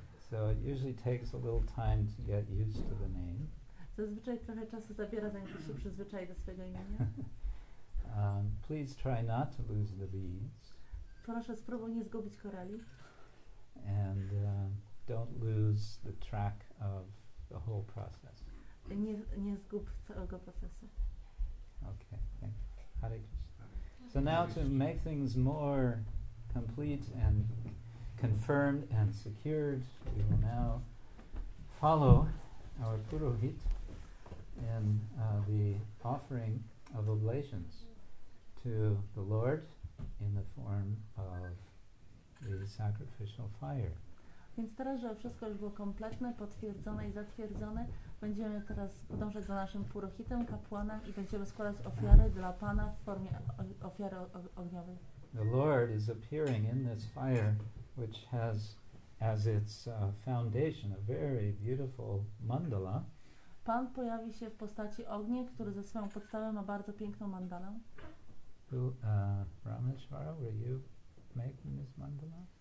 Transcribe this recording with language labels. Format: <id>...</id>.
<en>So it usually takes a little time to get used to the name.</en> <pl>Zazwyczaj trochę czasu zabiera, zanim się przyzwyczai do swojego imienia.</pl> <en>Please try not to lose the beads.</en> <pl>Proszę, spróbuj nie zgubić korali.</pl> <en>And don't lose the track of the whole process.</en> <pl>Nie zgub całego procesu.</pl> <en>Okay, thank you. Hare Krishna. So now to make things more complete and confirmed and secured, we will now follow our Purohit in the offering of oblations to the Lord in the form of the sacrificial fire.</en> <pl>Więc teraz, żeby wszystko już było kompletne, potwierdzone i zatwierdzone, będziemy teraz podążać za naszym purohitem, kapłanem i będziemy składać ofiary dla Pana w formie ofiary ogniowej.</pl> <en>The Lord is appearing in this fire, which has as its foundation a very beautiful mandala.</en> <pl>Pan pojawi się w postaci ognia, który ze swoją podstawą ma bardzo piękną mandalę.</pl> <en>Who, Rameshwara, were you making this mandala?</en>